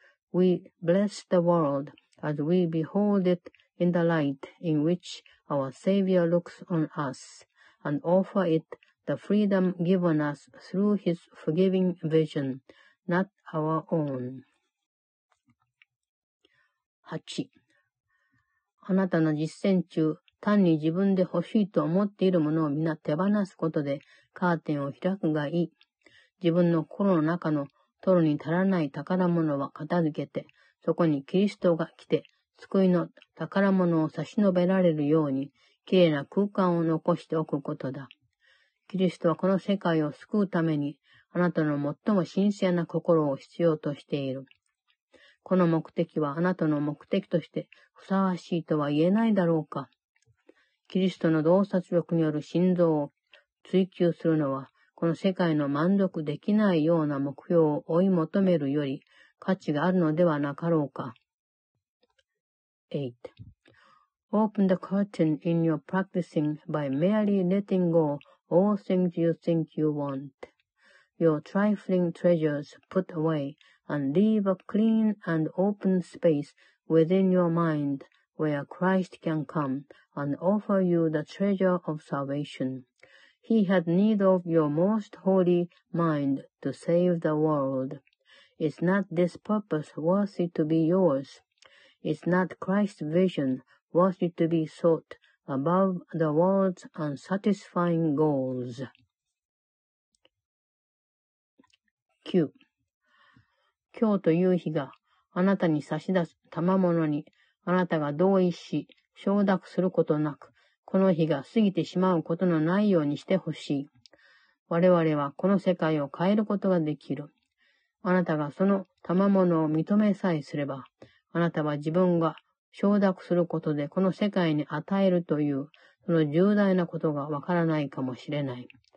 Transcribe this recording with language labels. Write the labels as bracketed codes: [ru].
[en] We bless the world as we behold it in the light in which our Savior looks on us, and offer it the freedom given us through his forgiving vision, not our own. [ja] 8. あなたの実践中、単に自分で欲しいと思っているものを皆手放すことでカーテンを開くがいい。自分の心の中の取るに足らない宝物は片付けて、そこにキリストが来て、救いの宝物を差し伸べられるように、きれいな空間を残しておくことだ。キリストはこの世界を救うために、あなたの最も神聖な心を必要としている。この目的はあなたの目的としてふさわしいとは言えないだろうか。キリストの洞察力による心臓を追求するのは、この世界の満足できないような目標を追い求めるより価値があるのではなかろうか。 [en] 8. Open the curtain in your practicing by merely letting go all things you think you want. Your trifling treasures put away. And leave a clean and open space within your mind where Christ can come and offer you the treasure of salvation. He had need of your most holy mind to save the world. Is not this purpose worthy to be yours? Is not Christ's vision worthy to be sought above the world's unsatisfying goals? [ja] 9. 今日という日があなたに差し出す賜物にあなたが同意し承諾することなくこの日が過ぎてしまうことのないようにしてほしい。我々はこの世界を変えることができる。あなたがその賜物を認めさえすればあなたは自分が承諾することでこの世界に与えるというその重大なことがわからないかもしれない。